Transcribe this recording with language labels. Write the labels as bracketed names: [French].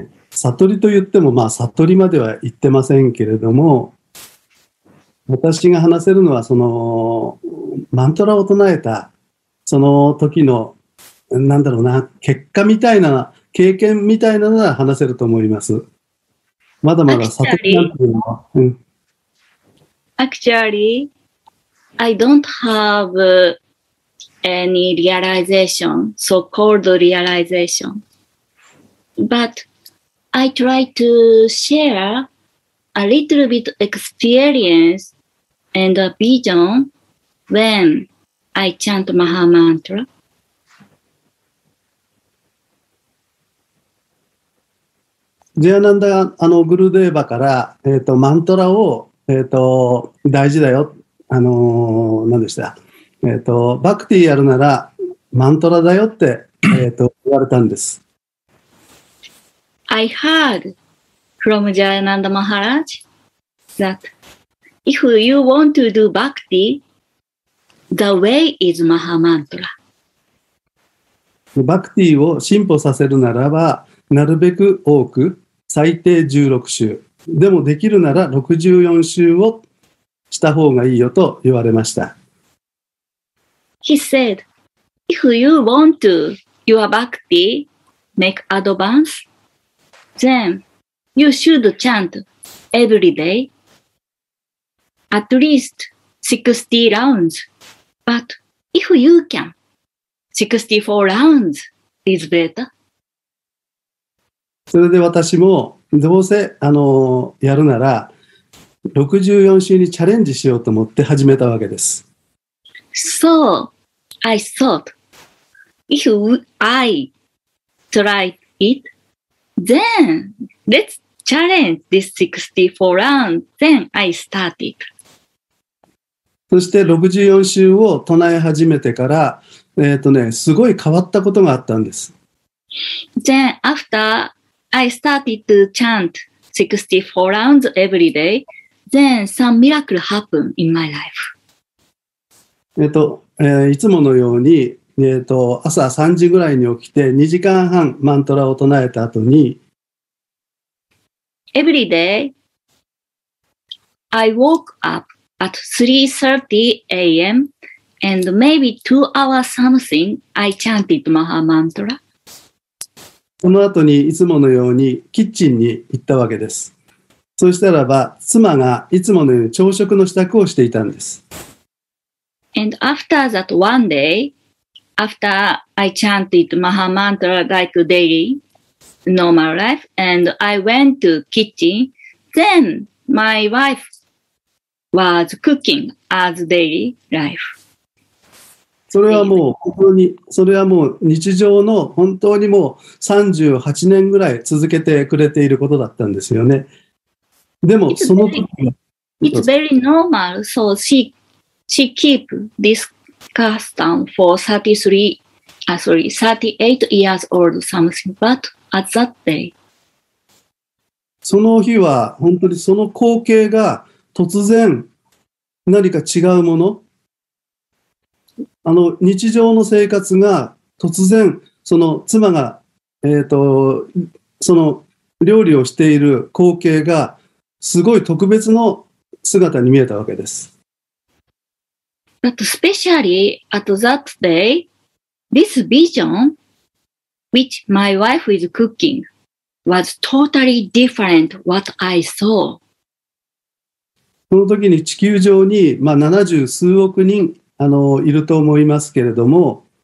[Japanese] 悟りと言っても、まあ、悟りまでは言ってませんけれども、私が話せるのは、その、マントラを唱えた、その時の、なんだろうな、結果みたいな、経験みたいなのは話せると思います。まだまだ悟りなんていうのは。 [English] Actually, I don't have any realization, so-called realization. But I try to share a little bit experience and a vision when I chant Maha Mantra. [Japanese] ジェアナンダ、あのグルデーバから、マントラを、大事だよ、何でした、バクティやるならマントラだよって、言われたんです。 [English] I heard from Jayananda Maharaj that if you want to do bhakti, the way is Maha Mantra. [Japanese] Bhakti を進歩させるならば、なるべく多く、最低16週、でもできるなら64週をした方がいいよと言われました。 [English] He said, if you want to your bhakti make advance, then you should chant every day at least 60 rounds. But if you can, 64 rounds is better. [Japanese] それで私もどうせやるなら64週にチャレンジしようと思って始めたわけです。 [English] So,I thought, if I try it, then let's challenge this 64 round, then I started. [Japanese] そして64週を唱え始めてから、すごい変わったことがあったんです。 [English] Then after I started to chant 64 rounds every day, then some miracle happened in my life. [Japanese] いつものように、朝3時ぐらいに起きて2時間半マントラを唱えた後に、 [English] Every day, I woke up at 3:30 a.m. and maybe 2 hours something, I chanted Maha Mantra. [Japanese] その後にいつものようにキッチンに行ったわけです。そうしたらば、妻がいつものように朝食の支度をしていたんです。 [English] And after that one day, after I chanted Maha Mantra like daily normal life, and I went to kitchen, then my wife was cooking as daily life. [Japanese] それはもう本当に、それはもう日常の本当にもう38年ぐらい続けてくれていることだったんですよね。でもその時は、 [English] It's very normal, so she keep this custom for 38 years old something, but at that day. [Japanese] その日は本当にその光景が突然何か違うもの、あの日常の生活が突然その妻が、その料理をしている光景がすごい特別の姿に見えたわけです。 [English] But especially at that day, this vision which my wife is cooking was totally different what I saw. [Japanese] その時に地球上に、まあ、70数億人いると思いますけれども、